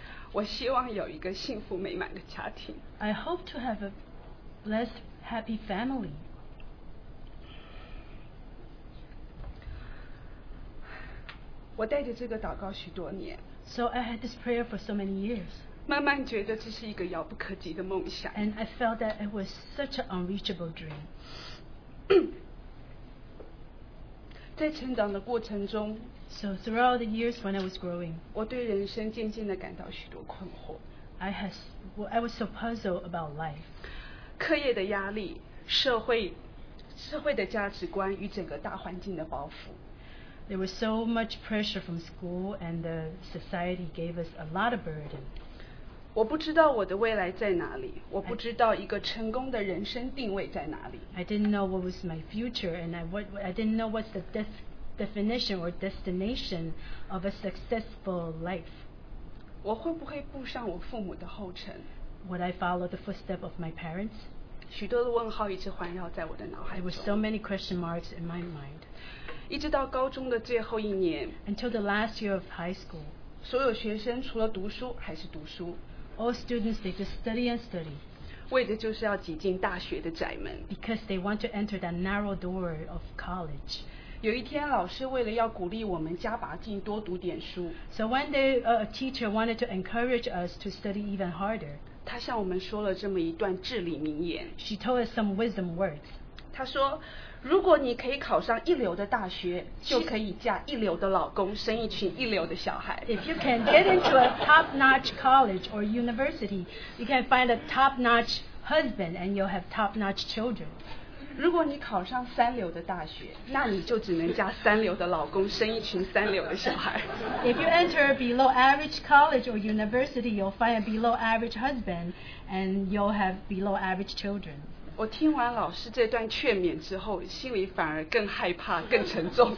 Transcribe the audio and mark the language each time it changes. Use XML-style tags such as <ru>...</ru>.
<zh>我希望有一个幸福美满的家庭。</zh> <en>I hope to have a blessed, happy family.</en> <zh>我带着这个祷告许多年</zh> <en>So I had this prayer for so many years</en> <zh>慢慢觉得这是一个遥不可及的梦想</zh> <en>And I felt that it was such an unreachable dream</en> <zh>在成长的过程中</zh> <en>So throughout the years when I was growing</en> <zh>我对人生渐渐地感到许多困惑</zh> <en>I was so puzzled about life</en> <zh>课业的压力社会的价值观与整个大环境的包袱</zh> <en>There was so much pressure from school, and the society gave us a lot of burden.</en> <zh>我不知道我的未来在哪里，我不知道一个成功的人生定位在哪里。</zh> <en>I didn't know what was my future, and I didn't know what's the definition or destination of a successful life.</en> <zh>我会不会步上我父母的后尘</zh> <en>？Would I follow the footsteps of my parents?</en> <zh>许多的问号一直环绕在我的脑海中。</zh> <en>There were so many question marks in my mind.</en> <zh>一直到高中的最后一年</zh> <en>Until the last year of high school</en> <zh>所有学生除了读书还是读书</zh> <en>All students they just study and study</en> <zh>为的就是要挤进大学的窄门</zh> <en>Because they want to enter that narrow door of college</en> <zh>有一天老师为了要鼓励我们加把劲多读点书</zh> <en>So one day a teacher wanted to encourage us to study even harder</en> <zh>他向我们说了这么一段至理名言</zh> <en>She told us some wisdom words</en> <zh>他说如果你可以考上一流的大学，就可以嫁一流的老公，生一群一流的小孩。</zh> <en>If you can get into a top-notch college or university, you can find a top-notch husband and you'll have top-notch children.</en> <zh>如果你考上三流的大学，那你就只能嫁三流的老公，生一群三流的小孩。</zh> <en>If you enter a below-average college or university, you'll find a below-average husband and you'll have below-average children.</en> <zh>我听完老师这段劝勉之后，心里反而更害怕、更沉重。</zh>